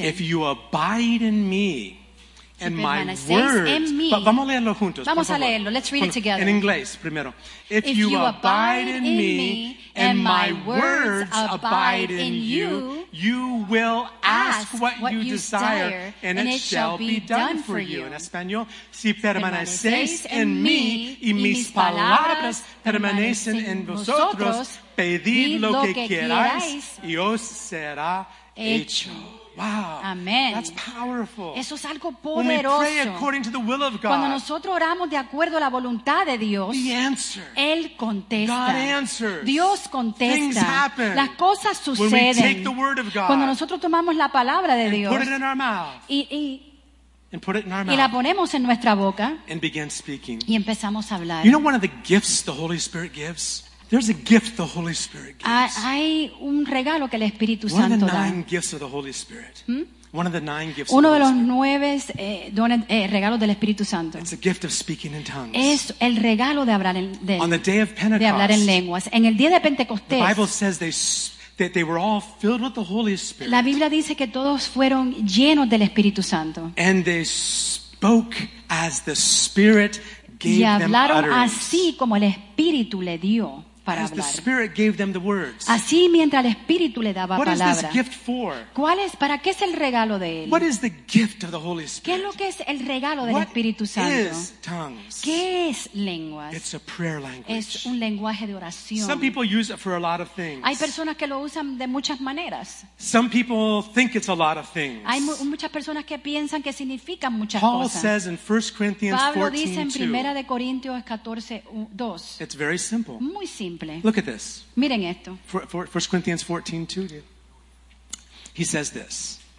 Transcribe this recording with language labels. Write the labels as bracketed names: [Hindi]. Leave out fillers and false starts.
[English] if you abide in me and my words, [Spanish] mí, vamos a leerlo juntos. Vamos a leerlo. [English] Let's read it together. [Spanish] En inglés primero. [English] If you abide in me and my words abide in you, you will ask what you desire and it shall be done for you. [Spanish] En español, si permanecéis en mí y mis palabras permanecen en vosotros, pedid lo que queráis y os será hecho. [English] Wow. Amen. That's powerful. [Spanish] Eso es algo poderoso. [English] When we pray according to the will of God, [Spanish] cuando nosotros oramos de acuerdo a la voluntad de Dios, [English] the answer. [Spanish] Él contesta. [English] God answers. [Spanish] Dios contesta. [English] Things happen. [Spanish] Las cosas suceden. [English] When we take the word of God, [Spanish] cuando nosotros tomamos la palabra de Dios, [English] put it in our mouth. And put it in our mouth. [Spanish] Y la ponemos en nuestra boca. [English] And begin speaking. [Spanish] Y empezamos a hablar. [English] You know one of the gifts the Holy Spirit gives? There's a gift the Holy Spirit gives. [Spanish] Hay un regalo que el Espíritu Santo da. [English] One of the nine gifts of the Holy Spirit. One of the nine gifts. [Spanish] Uno de los nueve regalos del Espíritu Santo. [English] It's a gift of speaking in tongues. [Spanish] Es el regalo de hablar [English] on the day of Pentecost, [Spanish] de hablar en lenguas. En el día de Pentecostés. [English] The Bible says that they were all filled with the Holy Spirit. [Spanish] La Biblia dice que todos fueron llenos del Espíritu Santo. [English] And they spoke as the Spirit gave them utterance. [Spanish] Y hablaron así como el Espíritu le dio. [English] As the Spirit gave them the words. [Spanish] Así mientras el Espíritu le daba palabra. [English] What is this gift for? [Spanish] ¿Cuál es, para qué es el regalo de él? [English] What is the gift of the Holy Spirit? [Spanish] ¿Qué es lo que es el regalo del Espíritu Santo? [English] What is tongues? [Spanish] ¿Qué es lenguas? [English] It's a prayer language. [Spanish] Es un lenguaje de oración. [English] Some people use it for a lot of things. [Spanish] Hay personas que lo usan de muchas maneras. [English] Some people think it's a lot of things. [Spanish] Hay muchas personas que piensan que significan muchas [English] Paul [Spanish] cosas. [English] Says in 1 Corinthians 14:2. [Spanish] Pablo dice en Primera de Corintios 14:2. [English] It's very simple. [Spanish] Muy simple. [English] Look at this. [Spanish] Miren esto. [English] 1 Corinthians 14, 2. He says this.